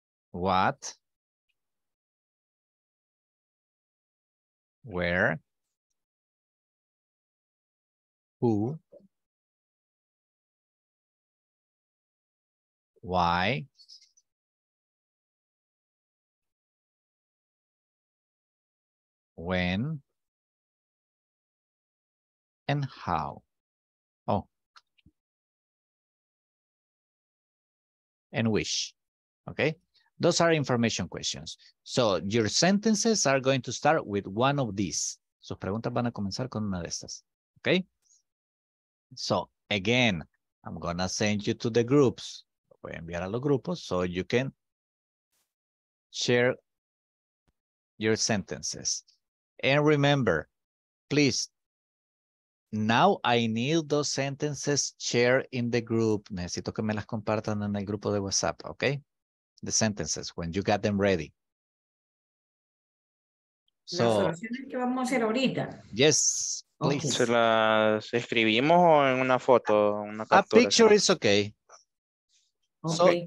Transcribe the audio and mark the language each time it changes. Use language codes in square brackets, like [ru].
[en] what, where, who, why, when, and how. Oh, and which. Okay, those are information questions. So your sentences are going to start with one of these. [es] Sus preguntas van a comenzar con una de estas. [en] Okay, so again, I'm gonna send you to the groups. [es] Voy a enviar a los grupos [en] so you can share your sentences. And remember, please, now I need those sentences shared in the group. [es] Necesito que me las compartan en el grupo de WhatsApp, okay? [en] The sentences, when you got them ready. [es] Las oraciones que vamos a hacer ahorita. [en] Yes, please. [es] ¿Se las escribimos o en una foto? Una captura, [en] a picture is okay. Okay.